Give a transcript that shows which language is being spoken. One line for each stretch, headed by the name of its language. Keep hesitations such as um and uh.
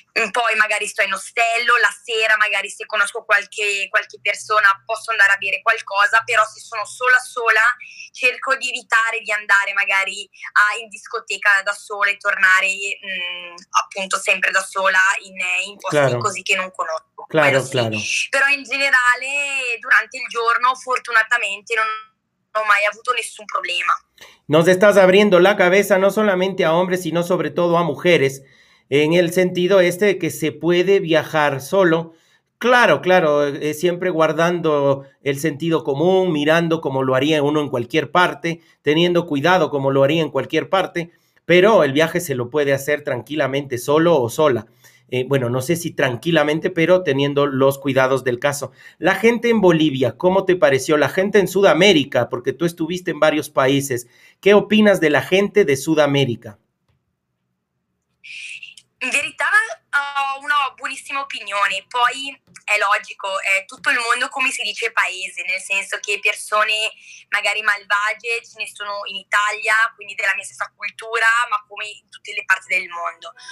Italian: Poi magari sto in ostello, la sera magari se conosco qualche, qualche persona posso andare a bere qualcosa, però se sono sola sola cerco di evitare di andare magari a, in discoteca da sola e tornare mh, appunto sempre da sola in, in posti
Spanish: Claro.
Italian: così che non conosco.
Spanish: Claro,
Italian: Quello sì.
Spanish: claro.
Italian: Però in generale durante il giorno fortunatamente non ho mai avuto nessun problema.
Spanish: Nos estás abriendo la cabeza no solamente a hombres, sino sobre todo a mujeres, en el sentido este de que se puede viajar solo. Claro, claro, eh, siempre guardando el sentido común, mirando como lo haría uno en cualquier parte, teniendo cuidado como lo haría en cualquier parte, pero el viaje se lo puede hacer tranquilamente solo o sola. Eh, bueno, no sé si tranquilamente, pero teniendo los cuidados del caso. La gente en Bolivia, ¿cómo te pareció? La gente en Sudamérica, porque tú estuviste en varios países, ¿qué opinas de la gente de Sudamérica?
Italian: In verità ho una buonissima opinione, poi è logico, è tutto il mondo come si dice paese, nel senso che persone magari malvagie ce ne sono in Italia, quindi della mia stessa cultura, ma come in tutte le parti del mondo.